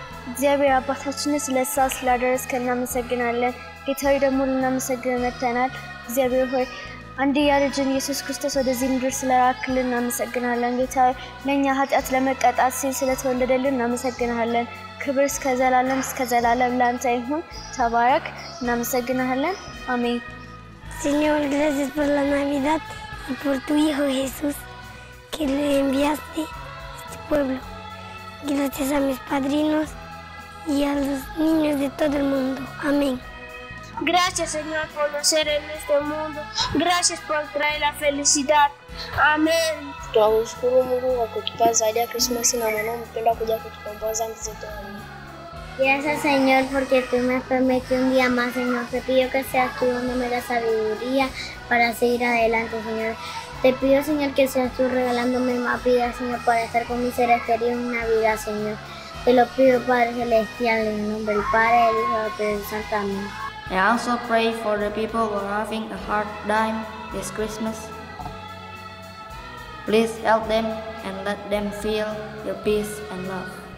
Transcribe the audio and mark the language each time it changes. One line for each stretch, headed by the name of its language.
Amharic: እግዚአብሔር አባታችን ስለ እሷ ስላደረስከ እናመሰግናለን። ጌታዊ ደግሞ ልናመሰግንመተናል። እግዚአብሔር ሆይ አንድያ ልጅን ኢየሱስ ክርስቶስ ወደዚህ ምድር ስለላክልን እናመሰግናለን። ጌታዊ ለእኛ ኃጢአት ለመቀጣት ሲል ስለተወለደልን እናመሰግናለን። ክብር እስከ ዘላለም ለአንተ ይሁን። ተባረክ። እናመሰግናለን። አሜን።
Spanish: Señor, gracias por la Navidad y por tu Hijo Jesús que le enviaste a este pueblo. Gracias a mis padrinos y a los niños de todo el mundo. Amén. Gracias, Señor, por nacer en este mundo. Gracias por traer la felicidad. Amén.
Swahili: Tunamshukuru Mungu kwa kutupa zawadi ya Krismasi na mwanao mpendwa kuja kutukomboa dhambi zetu.
Spanish: Gracias, Señor, porque tú me permites un día más, Señor. Te pido que seas tú dándome la sabiduría para seguir adelante, Señor. Te pido, Señor, que seas tú regalándome más vida, Señor, para estar con mi ser exterior en Navidad, Señor. Te lo pido, Padre Celestial, en el nombre del Padre, del Hijo y del Espíritu Santo. Amén.
English: I also pray for the people who are having a hard time this Christmas. Please help them and let them feel your peace and love.